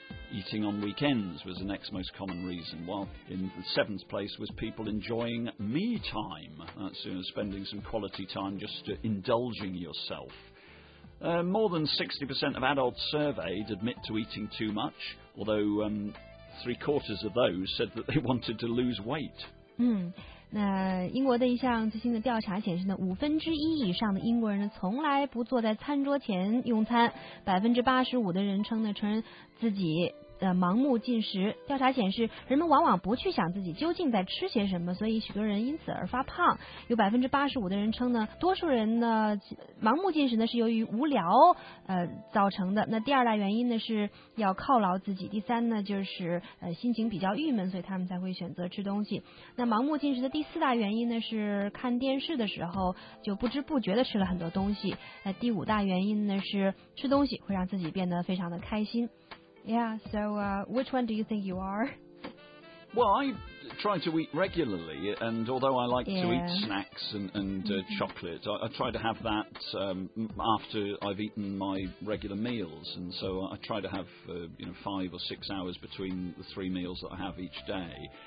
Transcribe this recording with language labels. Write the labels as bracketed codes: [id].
[en] Eating on weekends was the next most common reason, while in the seventh place was people enjoying me time. That's, you know, spending some quality time just indulging yourself. More than 60% of adults surveyed admit to eating too much, although three-quarters of those said that they wanted to lose weight. [zh] 那英国的一项最新的调查显示呢，五分之一以上的英国人呢从来不坐在餐桌前用餐，85%的人称呢承认自己盲目进食。调查显示，人们往往不去想自己究竟在吃些什么，所以许多人因此而发胖。有85%的人称呢，多数人呢盲目进食呢是由于无聊造成的。那第二大原因呢是要犒劳自己，第三呢就是心情比较郁闷，所以他们才会选择吃东西。那盲目进食的第四大原因呢是看电视的时候就不知不觉的吃了很多东西。那第五大原因呢是吃东西会让自己变得非常的开心。 [en] Yeah, so which one do you think you are? Well, I try to eat regularly, and although I like to eat snacks and chocolate, I try to have that after I've eaten my regular meals. And so I try to have 5 or 6 hours between the three meals that I have each day.